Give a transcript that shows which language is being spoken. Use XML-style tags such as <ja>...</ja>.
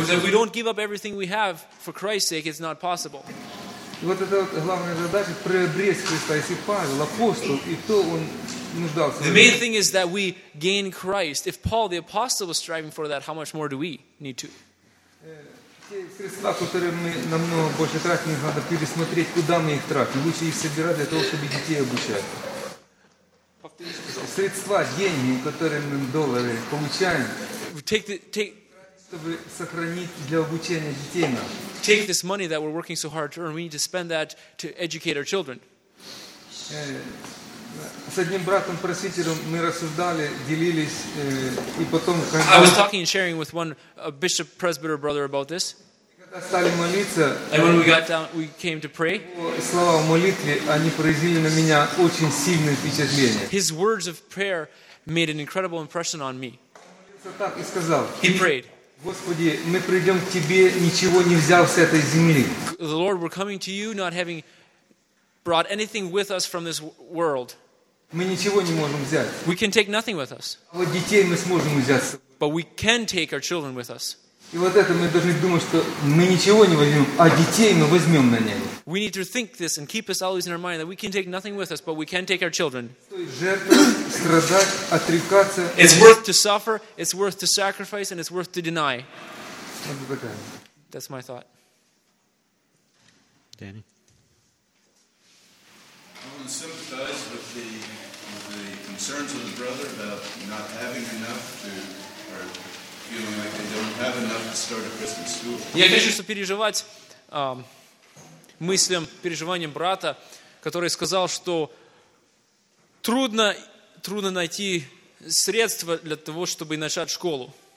<en>If we don't give up everything we have for Christ's sake, it's not possible.</en> <ru>Вот это вот главная задача приобрести Христа. Если Павел, апостол, и то он нуждался.</ru> <en>The main thing is that we gain Christ. If Paul, the apostle, was striving for that, how much more do we need to?</en> <ru>Средства, которые мы намного больше тратим, надо пересмотреть, куда мы их тратим. Лучше их собирать для того, чтобы детей обучать. Средства, деньги, которые мы доллары получаем, чтобы сохранить для обучения детей нам.</ru> <en>Take this money that we're working so hard to earn. We need to spend that to educate our children.</en> <ru>С одним братом просвитером мы рассуждали, делились, и потом.</ru> <en>I was talking and sharing with one bishop presbyter brother about this.</en> <ru>Когда стали молиться,</ru> <en>and when we got down, we came to pray.</en> <ru>Слова молитвы они произвели на меня очень сильное впечатление.</ru> <en>His words of prayer made an incredible impression on me.</en> <ru>Так и сказал.</ru> <en>He prayed.</en> <ru>Господи, мы придем к Тебе, ничего не взяв с этой земли.</ru> <en>The Lord, we're coming to You, not having brought anything with us from this world.</en> <ru>Мы ничего не можем взять.</ru> <en>We can take nothing with us.</en> <ru>А вот детей мы сможем взять.</ru> <en>But we can take our children with us.</en> <ru>И вот это мы должны думать, что мы ничего не возьмем, а детей мы возьмем на небо.</ru> <en>We need to think this and keep this always in our mind that we can take nothing with us, but we can take our children. It's worth to suffer, it's worth to sacrifice, and it's worth to deny. That's my thought. Danny. I want to sympathize with the concerns of the brother about not having enough to, or feeling like they don't have enough to start a Christian school.</en> <ru>Я хочу сопереживать мыслям, переживаниям брата, который сказал, что трудно найти средства для того, чтобы начать школу.</ru>